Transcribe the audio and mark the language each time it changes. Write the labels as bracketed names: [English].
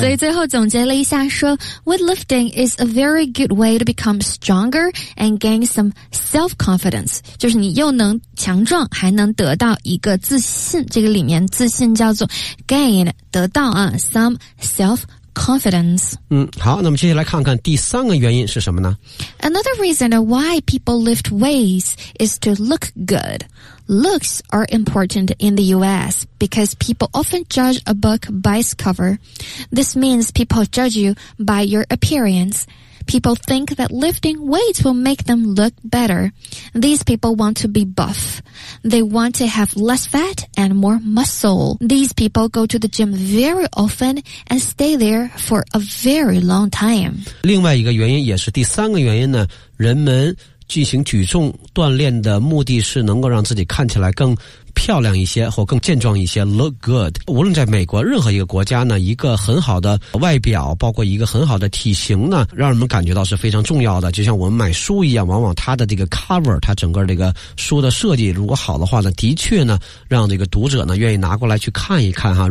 [Chinese] 所以最后总结了一下说 [English] weightlifting is a very good way to become stronger and gain some self-confidence， [Chinese] 就是你又能强壮还能得到一个自信，这个里面自信叫做 gain， 得到啊 [English] some self-confidenceconfidence。 [Chinese] 好，那么接下来看看第三个原因是什么呢？ [English] Another reason why people lift weights is to look good. Looks are important in the US because people often judge a book by its cover. This means people judge you by your appearance. People think that lifting weights will make them look better. These people want to be buff. They want to have less fat and more muscle. These people go to the gym very often and stay there for a very long time. [Chinese] 另外一个原因也是第三个原因呢，人们进行举重锻炼的目的是能够让自己看起来更漂亮一些或更健壮一些 [English] look good。 [Chinese] 无论在美国任何一个国家呢，一个很好的外表包括一个很好的体型呢，让人们感觉到是非常重要的，就像我们买书一样，往往它的这个 cover， 它整个这个书的设计如果好的话呢，的确呢让这个读者呢愿意拿过来去看一看哈。